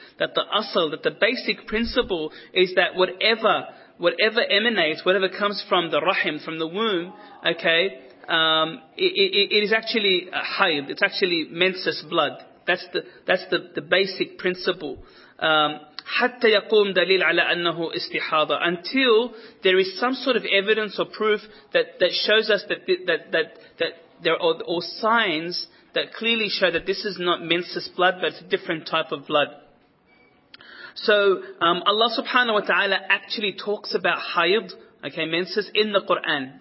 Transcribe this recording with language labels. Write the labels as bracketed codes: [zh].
[en] That the asl, that the basic principle is that whatever emanates, whatever comes from the rahim, from the womb, okay, it is actually hayd. It's actually menses blood. That's the basic principle. [ar] حتى يقوم دليل على أنه استحاضة. [en] Until there is some sort of evidence or proof that shows us that there are all signs that clearly show that this is not menses blood, but it's a different type of blood. So Allah subhanahu wa ta'ala actually talks about hayd, okay, menses, in the Quran.